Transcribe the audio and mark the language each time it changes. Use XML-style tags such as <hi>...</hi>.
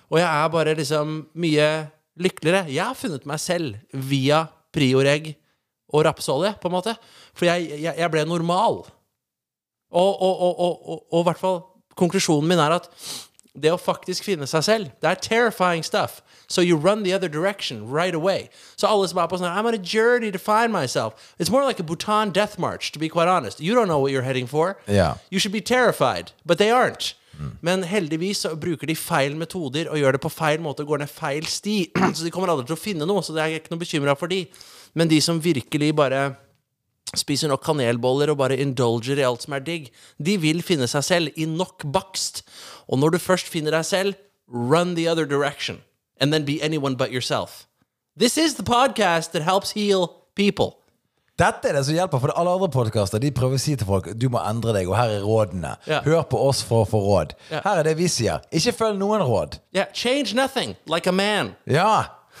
<no>Og jeg er bare liksom mye lykkeligere. Jeg har funnet meg selv via prioregg og rapsolje, på en måte. For jeg ble normal. Og i hvert fall, konklusjonen min at det å faktisk finne seg selv, det</no> <en>terrifying stuff. So you run the other direction right away.</en> <no>Så alle som er på sånn,</no> <en>I'm on a journey to find myself. It's more like a Bhutan death march, to be quite honest. You don't know what you're heading for. Yeah. You should be terrified, but they aren't.</en> <no>Men heldigvis så bruker de feil metoder og gjør det på feil måte og går ned feil sti. Så de kommer aldri til å finne noe, så det ikke noe bekymret for de. Men de som virkelig bare spiser nok kanelboller og bare indulger i alt som digg, de vil finne seg selv i nok bakst. Og når du først finner deg selv,</no> <en>run the other direction. And then be anyone but yourself. This is the podcast that helps heal people.</en> <no>Dette det som hjelper, for alle andre podcaster, de prøver å si til folk, du må endre deg, og her rådene.</no> <en>Yeah.</en> <no>Hør på oss for å få råd.</no> <en>Yeah.</en> <no>Her det vi sier. Ikke følg noen råd.</no> <en>Yeah, change nothing, like a man.</en> <no>Ja.</no>